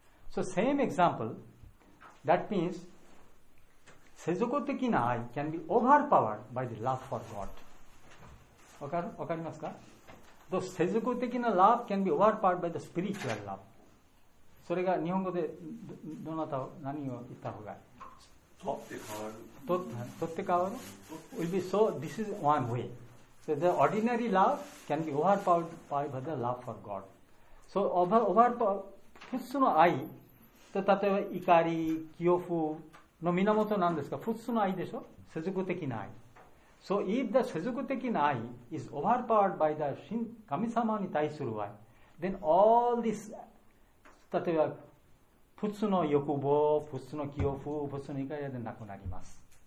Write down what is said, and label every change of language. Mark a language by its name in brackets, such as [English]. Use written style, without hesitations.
[English] So same example, that means [Japanese] 世俗的な愛 [English] can be overpowered by the love for God. [Japanese] わかりますか？ [English] So [Japanese] 世俗的な [English] love can be overpowered by the spiritual love. [Japanese] それが日本語で どなた何を言った方がいい？取って変わる。取って変わる。 [English] Will be so. This is one way. So the ordinary love can be overpowered by the love for God. So overpower. [Japanese] 普通の愛、例えば怒り、恐怖の源は何ですか？普通の愛でしょ？世俗的な愛。 [English] So if the [Japanese] 世俗的な愛 [English] is overpowered by the [Japanese] 神様に対する愛、 [English] then all this, [Japanese] 例えば普通の欲望、普通の恐怖、普通の怒りでなくなります。